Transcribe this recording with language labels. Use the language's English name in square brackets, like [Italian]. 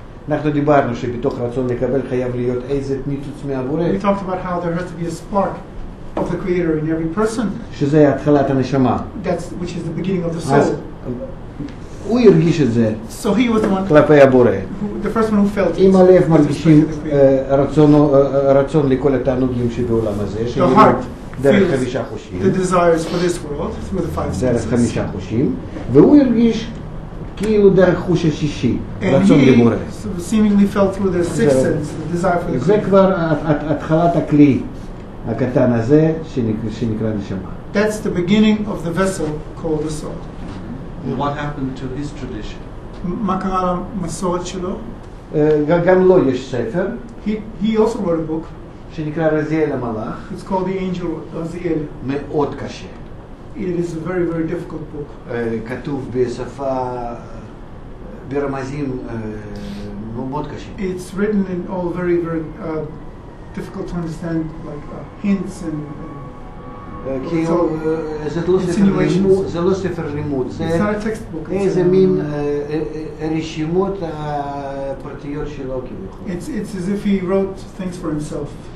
[Hebrew] אנחנו דיברנו שבתוך רצון לקבל חייב להיות איזה ניצוץ מהבורא. [English] We talked about how there has to be a spark of the creator in every person. [Hebrew] שזה התחלת הנשמה. [English] That's which is the beginning of the soul. [Hebrew] הוא הרגיש את זה. [English] So he was the one [Hebrew] כלפי הבורא. [English] The first one who felt it. [Hebrew] אם הלב מרגישים רצון לכל התענוגים שבעולם הזה, [English] the heart [Hebrew] דרך חמישה חושים. [English] The desires for this world through the five senses. [Hebrew] דרך חמישה חושים. והוא הרגיש כאילו דרך חוש השישי, רצון לבורא. [English] So seemingly felt through the sixth sense, the desire for the creator. [Hebrew] זה כבר התחלת הכלי. הקטן הזה שנקרא נשמה. [English] That's the beginning of the vessel called the soul. And what happened to his tradition? [Hebrew] מה קרה למסורת שלו? גם לו יש ספר. [English] He also wrote a book. [Hebrew] שנקרא רזיאל המלאך. [English] It's called the Angel Raziel. [Hebrew] מאוד קשה. [English] It is a very very difficult book. [Hebrew] כתוב בשפה ברמזים מאוד קשה. [English] It's written in all very very difficult to understand, hints and insinuations. [Hebrew] זה לא ספר לימוד, זה איזה מין רשימות הפרטיות שלו כביכול. [English] It's as if he wrote things for himself.